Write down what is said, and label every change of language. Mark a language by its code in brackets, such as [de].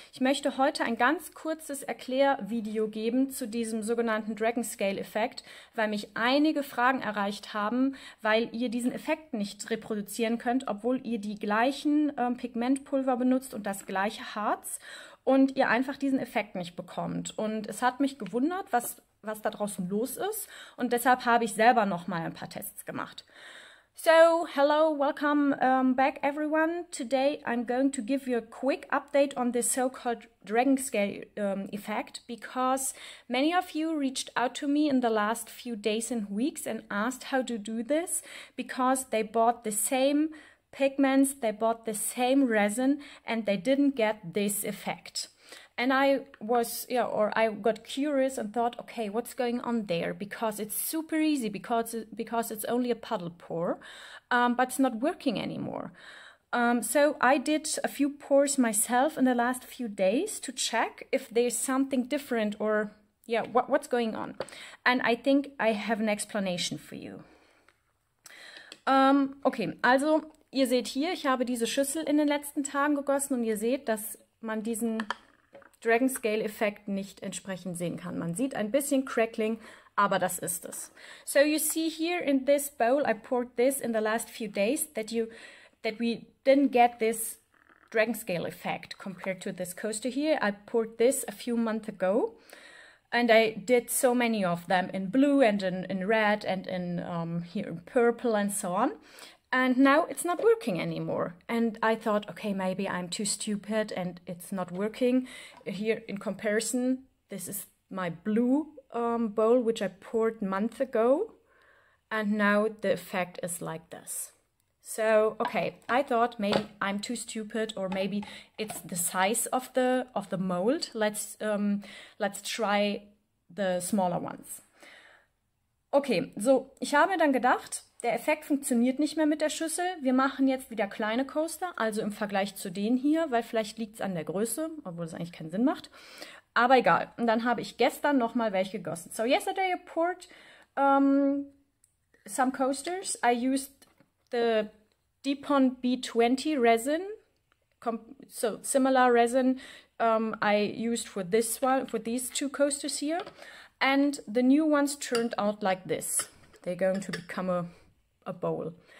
[de] Ich möchte heute ein ganz kurzes Erklärvideo geben zu diesem sogenannten Dragon Scale Effekt, weil mich einige Fragen erreicht haben, weil ihr diesen Effekt nicht reproduzieren könnt, obwohl ihr die gleichen Pigmentpulver benutzt und das gleiche Harz und ihr einfach diesen Effekt nicht bekommt. Und es hat mich gewundert, was da draußen los ist, und deshalb habe ich selber noch mal ein paar Tests gemacht. [en] So, hello, welcome back everyone. Today I'm going to give you a quick update on this so-called Dragon Scale effect, because many of you reached out to me in the last few days and weeks and asked how to do this, because they bought the same pigments, they bought the same resin, and they didn't get this effect. And I was, I got curious and thought, okay, what's going on there? Because it's super easy, because it's only a puddle pour, but it's not working anymore. So I did a few pours myself in the last few days to check if there's something different or, what's going on. And I think I have an explanation for you. [de] Okay, also ihr seht hier, ich habe diese Schüssel in den letzten Tagen gegossen, und ihr seht, dass man diesen Dragon Scale Effekt nicht entsprechend sehen kann. Man sieht ein bisschen Crackling, aber das ist es. [en] So you see here in this bowl, I poured this in the last few days, that we didn't get this Dragon Scale Effekt compared to this coaster here. I poured this a few months ago, and I did so many of them in blue and in red and in here in purple and so on. And now it's not working anymore. And I thought, okay, maybe I'm too stupid and it's not working. Here in comparison, this is my blue bowl, which I poured a month ago. And now the effect is like this. So, okay, I thought maybe I'm too stupid, or maybe it's the size of the mold. Let's try the smaller ones. [de] Okay, so ich habe mir dann gedacht, der Effekt funktioniert nicht mehr mit der Schüssel. Wir machen jetzt wieder kleine Coaster, also im Vergleich zu denen hier, weil vielleicht liegt es an der Größe, obwohl es eigentlich keinen Sinn macht. Aber egal. Und dann habe ich gestern nochmal welche gegossen. [en] So yesterday I poured some coasters. I used the Dipon B20 resin, so similar resin I used for this one, for these two coasters here. And the new ones turned out like this. They're going to become a bowl.